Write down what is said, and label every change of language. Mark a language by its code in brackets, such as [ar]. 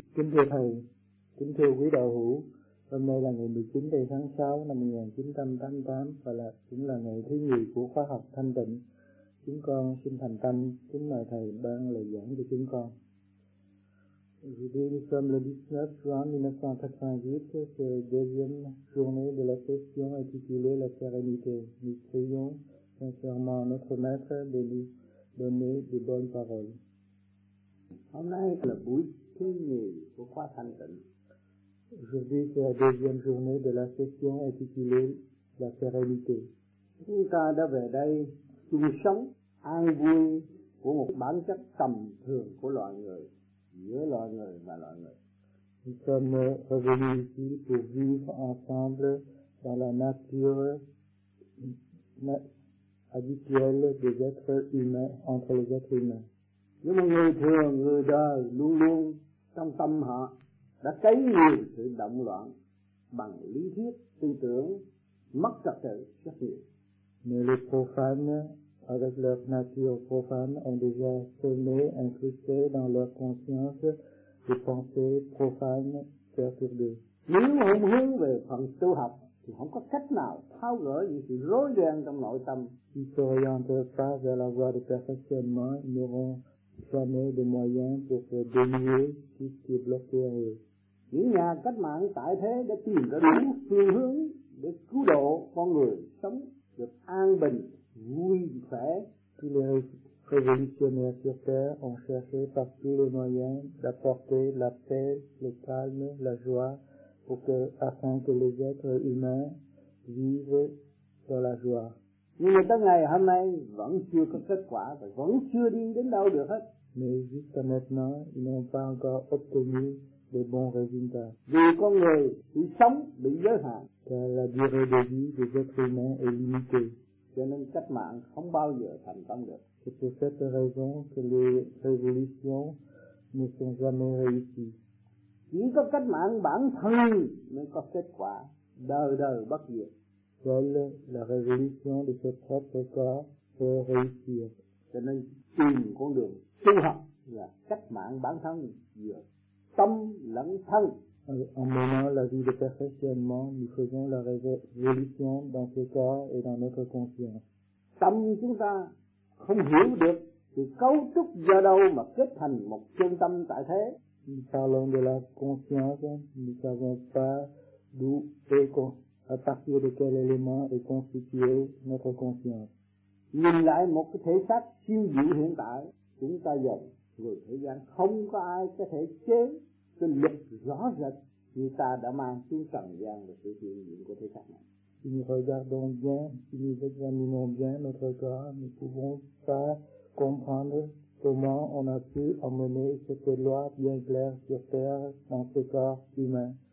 [vi] Kính thưa thầy, kính thưa quý đạo hữu, hôm nay là ngày 19 đầy tháng 6 năm 1988 và là cũng là ngày thứ nhì của khóa học thanh tịnh. Chúng con xin thành tâm kính mời thầy ban lời giảng cho chúng con. [fr] Nous sommes le 19 juin 1988, nous prions sincèrement notre maître de nous donner de bonnes paroles. [vi] Hôm nay là buổi thứ nhì của khóa thanh tịnh. [fr] Aujourd'hui c'est la deuxième journée de la session intitulée La sérénité. [vi] Chúng ta đã về đây chung sống an vui của một bản chất tầm thường của loài người, giữa loài người và loài người. [fr] Nous sommes revenus ici pour vivre ensemble dans la nature habituelle des êtres humains, entre les êtres humains. [vi] Nhưng mà người thường, người đời luôn luôn trong tâm họ đã cấy nhiều sự động loạn bằng lý thuyết, tư tưởng, mất trật tự rất nhiều. [fr] Mais les profanes, avec leur nature profane, ont déjà semé, incrusté dans leur conscience des pensées profanes perturbées. [vi] Nếu không hướng về phần tu học thì không có cách nào tháo gỡ những sự rối ren trong nội tâm. [fr] S'ils s'orientent pas vers la voie du perfectionnement, ils n'auront jamais de moyens pour se dénouer tout ce qui est bloqué à eux. [vi] Những nhà cách mạng tại thế đã tìm ra đúng phương hướng để cứu độ con người sống được an bình, vui khỏe. [fr] Tous les révolutionnaires sur terre ont cherché par tous les moyens d'apporter la paix, le calme, la joie, pour que, afin que les êtres humains vivent dans la joie. [vi] Nhưng mà tới ngày hôm nay vẫn chưa có kết quả và vẫn chưa đi đến đâu được hết. [fr] Mais jusqu'à maintenant, ils n'ont pas encore obtenu de bons résultats. [vi] Vì con người thì sống bị giới hạn. [fr] Car la durée de vie des êtres humains est limitée. [vi] Cho nên cách mạng không bao giờ thành công được. [fr] C'est pour cette raison que les révolutions ne sont jamais réussies. [vi] Chỉ có cách mạng bản thân mới có kết quả đời đời bất diệt. [fr] Seule la révolution de ses propres corps peut réussir. [vi] Cho nên tìm con đường tu học là cách mạng bản thân giữa tâm lẫn thân. [fr] En menant la vie de perfectionnement, nous faisons la révolution dans ce corps et dans notre conscience. [vi] Tâm chúng ta không hiểu được thì cấu trúc do đâu mà kết thành một chân tâm tại thế. [fr] Nous parlons de la conscience, nous ne savons pas d'où est conscience. À partir de quel élément est constitué notre conscience. [vi] Nhìn lại một cái thể xác siêu diệu hiện tại, chúng ta dần người thế gian không có ai có thể chế cái lực rõ rệt như ta đã mang xuống trần gian và sự hiện diện của thể xác này. [fr] Si nous regardons bien, si nous examinons bien notre corps, nous pouvons pas comprendre comment on a pu emmener cette loi bien claire sur terre dans ce corps humain.